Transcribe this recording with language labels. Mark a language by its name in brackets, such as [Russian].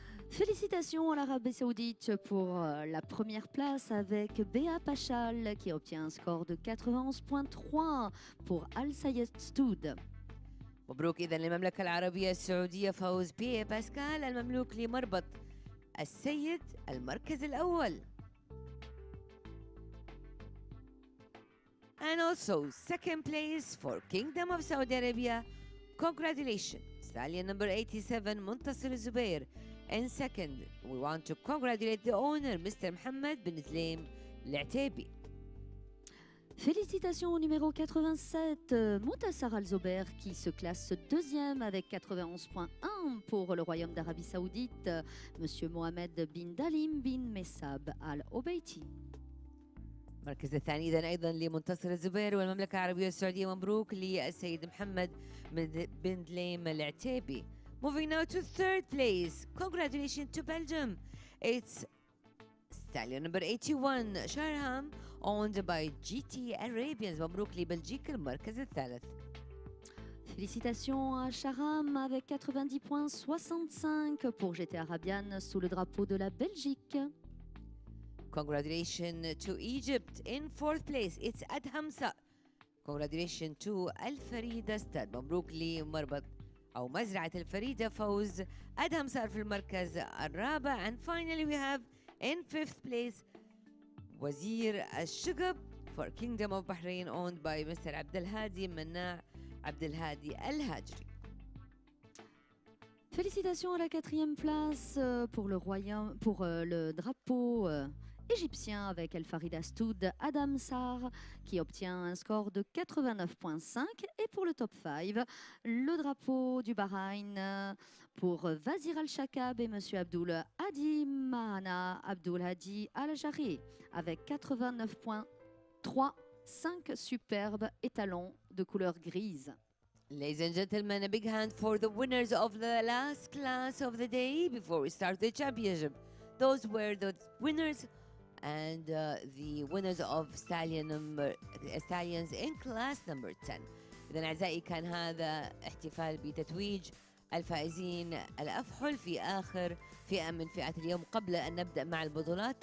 [French] Félicitations à l'Arabie Saoudite pour la première place avec Béa Pachal qui obtient un score de 91.3 pour Al Sayed Stud. [Arabic] مبروك إذن للمملكة العربية السعودية فوز P.A. Pascal المملوك لمربط السيد المركز الأول. [English] And also second place for Kingdom of Saudi Arabia. Congratulations. Stallion number 87, Muntasir Zubair. In second, we want to congratulate the owner, Mr. Mohammed bin Zlaim Al-Atabi. [French] Félicitations au numéro 87, Muntasir Al-Zubair, qui se classe deuxième avec 91.1 pour le Royaume d'Arabie Saoudite, Monsieur Mohamed bin Dalim bin Messab Al-Obeiti. [Arabic] المركز الثاني إذن أيضا لمنتصر الزبير والمملكة العربية السعودية مبروك للسيد محمد بن دليم العتيبي. [English] Moving now to third place. Congratulations to Belgium. It's stallion number 81, Sharham, owned by GT Arabians. [Arabic] مبروك لبلجيك المركز الثالث. [French] Félicitations à Charam avec 90.65 pour GT Arabian sous le drapeau de la Belgique. [English] Congratulations to Egypt in fourth place. It's Ad Hamza. Congratulations to Al Farida Stad. [Arabic] مبروك لي مربط أو مزرعة الفريدة فوز Ad Hamza في المركز الرابع. [English] And finally we have in fifth place وزير الشقب for Kingdom of Bahrain owned by Mr. [Arabic] عبد الهادي مناع عبد الهادي الهاجري. [French] Félicitations à la quatrième place pour le royaume pour le drapeau égyptien avec Al Farida Stoud Ad Hamza qui obtient un score de 89.5 et pour le top 5 le drapeau du Bahreïn pour Wazir Al Shakab et Monsieur Abdul Hadi Mahana Abdul Hadi Al Jari avec 89.35 superbes étalons de couleur grise. [English] Ladies and gentlemen, a big hand for the winners of the last class of the day before we start the championship. Those were the winners and the winners of stallions in class number 10. [Arabic] إذن أعزائي كان هذا احتفال بتتويج الفائزين الأفحل في آخر فئة من فئات اليوم قبل أن نبدأ مع البطولات.